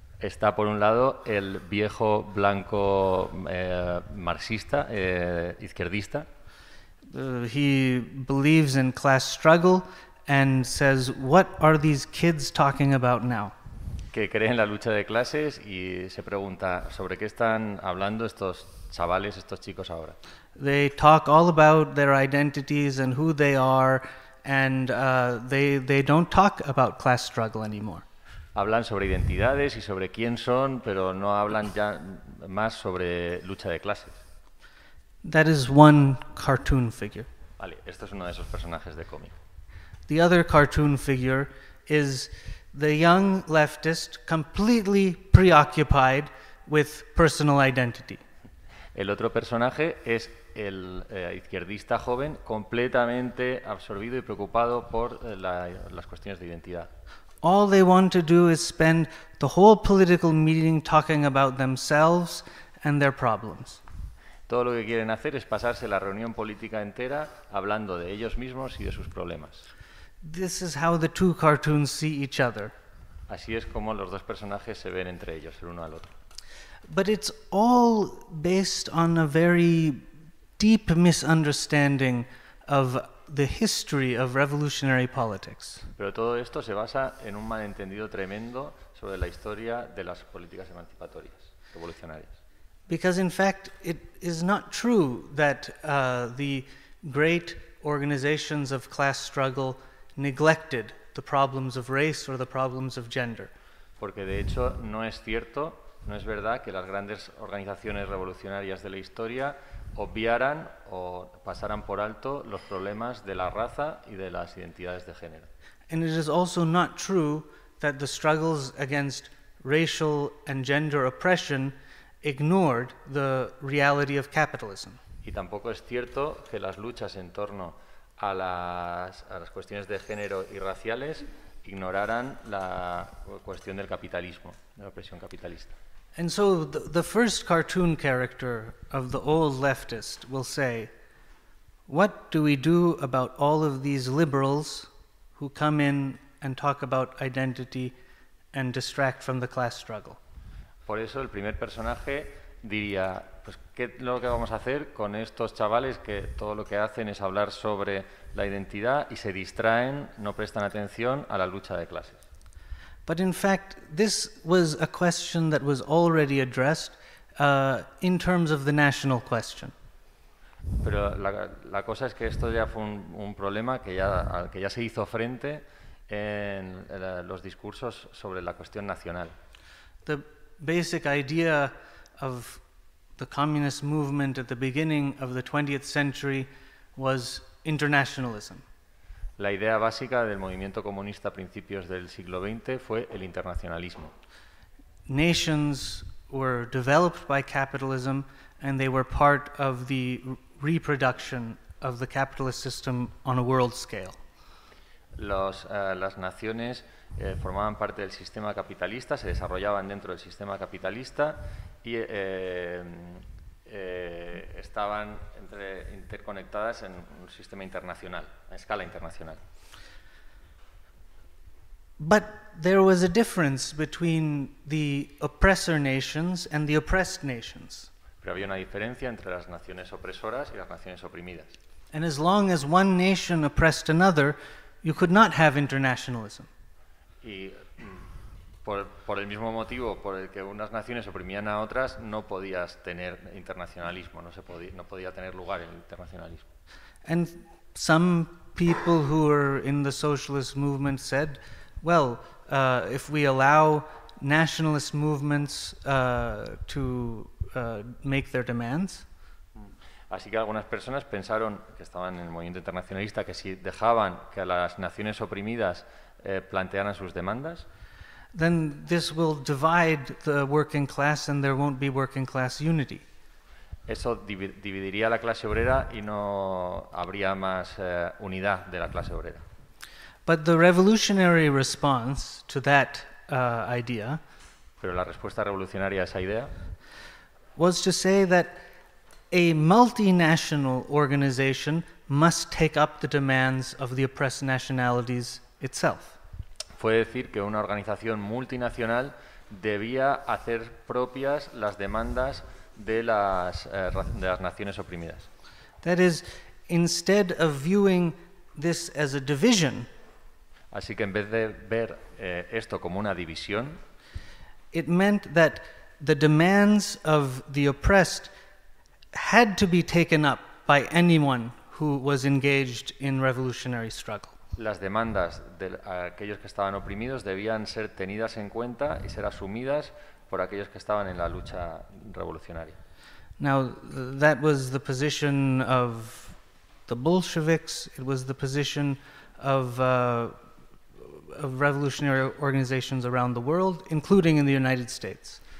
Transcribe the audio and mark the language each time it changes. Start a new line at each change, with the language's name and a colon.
Spanish: Está por un lado el viejo blanco marxista izquierdista.
English: He believes in class struggle and says, "What are these kids talking about now?"
Spanish: Que cree en la lucha de clases y se pregunta sobre qué están hablando estos chavales, estos chicos ahora.
English: They talk all about their identities and who they are, and they don't talk about class struggle anymore.
Spanish: Hablan sobre identidades y sobre quién son, pero no hablan ya más sobre lucha de clases.
English: That is one cartoon figure.
Spanish: Vale, esto es uno de esos personajes de cómic.
English: The other cartoon figure is the young leftist completely preoccupied with personal identity.
Spanish: El otro personaje es el izquierdista joven completamente absorbido y preocupado por las cuestiones de identidad.
English: All they want to do is spend the whole political meeting talking about themselves and their problems.
Spanish: Todo lo que quieren hacer es pasarse la reunión política entera hablando de ellos mismos y de sus problemas.
English: This is how the two cartoons see each other.
Spanish: Así es como los dos personajes se ven entre ellos, el uno al otro.
English: But it's all based on a very deep misunderstanding of the history of revolutionary politics.
Spanish: Pero todo esto se basa en un malentendido tremendo sobre la historia de las políticas emancipatorias, revolucionarias.
English: Because in fact, it is not true that the great organizations of class struggle neglected the problems of race or the problems of gender.
Spanish: Porque de hecho no es cierto, no es verdad que las grandes organizaciones revolucionarias de la historia obviaran o pasaran por alto los problemas de la raza y de las identidades de género.
English: And it is also not true that the struggles against racial and gender oppression ignored the reality of capitalism.
Spanish: Y tampoco es cierto que las luchas en torno a las cuestiones de género y raciales ignoraran la cuestión del capitalismo, de la opresión capitalista.
English: And so the first cartoon character of the old leftist will say, "What do we do about all of these liberals who come in and talk about identity and distract from the class struggle?"
Spanish: Por eso el primer personaje diría, pues, ¿qué es lo que vamos a hacer con estos chavales que todo lo que hacen es hablar sobre la identidad y se distraen, no prestan atención a la lucha de clases?
English: But in fact, this was a question that was already addressed in terms of the national question.
Spanish: Pero la cosa es que esto ya fue un problema al que ya se hizo frente en los discursos sobre la cuestión nacional.
English: The basic idea of the communist movement at the beginning of the 20th century was internationalism.
Spanish: La idea básica del movimiento comunista a principios del siglo XX fue el internacionalismo.
English: Nations were developed by capitalism and they were part of the reproduction of the capitalist system on a world scale.
Spanish: Las naciones formaban parte del sistema capitalista, se desarrollaban dentro del sistema capitalista y estaban interconectadas en un sistema internacional, a escala internacional.
English: But there was a difference between the oppressor nations and the oppressed nations.
Spanish: Pero había una diferencia entre las naciones opresoras y las naciones oprimidas.
English: And as long as one nation oppressed another, you could not have internationalism.
Spanish: Y por el mismo motivo por el que unas naciones oprimían a otras, no podías tener internacionalismo, no podía tener lugar el internacionalismo.
English: And some people who were in the socialist movement said, well, if we allow nationalist movements to make their demands.
Spanish: Así que algunas personas pensaron, que estaban en el movimiento internacionalista, que si dejaban que las naciones oprimidas plantearan sus demandas,
English: then this will divide the working class and there won't be working class unity.
Spanish: Eso dividiría la clase obrera y no habría más unidad de la clase obrera.
English: But the revolutionary response to that idea,
Spanish: pero la respuesta revolucionaria a esa idea,
English: was to say that a multinational organization must take up the demands of the oppressed nationalities itself.
Spanish: Fue decir que una organización multinacional debía hacer propias las demandas de las naciones oprimidas.
English: That is, instead of viewing this as a division,
Spanish: así que en vez de ver esto como una división,
English: it meant that the demands of the oppressed had to be taken up by anyone who was engaged in revolutionary struggle.
Spanish: Las demandas de aquellos que estaban oprimidos debían ser tenidas en cuenta y ser asumidas por aquellos que estaban en la lucha revolucionaria.
English: Now, that was the position of the Bolsheviks. It was the position of revolutionary organizations around the world, including in the United States.